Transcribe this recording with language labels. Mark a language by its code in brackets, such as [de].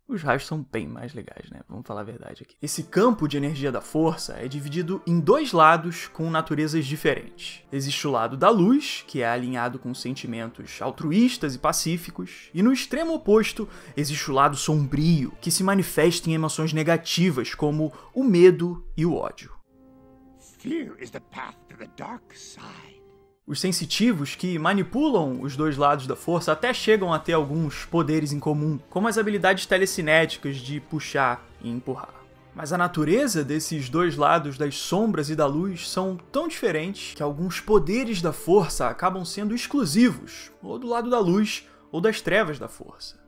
[pt] Os raios são bem mais legais, né? Vamos falar a verdade aqui. Esse campo de energia da força é dividido em dois lados com naturezas diferentes. Existe o lado da luz, que é alinhado com sentimentos altruístas e pacíficos. E no extremo oposto, existe o lado sombrio, que se manifesta em emoções negativas, como o medo e o ódio. [en] Fear is the path to the dark side. [pt] Os sensitivos, que manipulam os dois lados da força, até chegam a ter alguns poderes em comum, como as habilidades telecinéticas de puxar e empurrar. Mas a natureza desses dois lados, das sombras e da luz, são tão diferentes que alguns poderes da força acabam sendo exclusivos, ou do lado da luz, ou das trevas da força.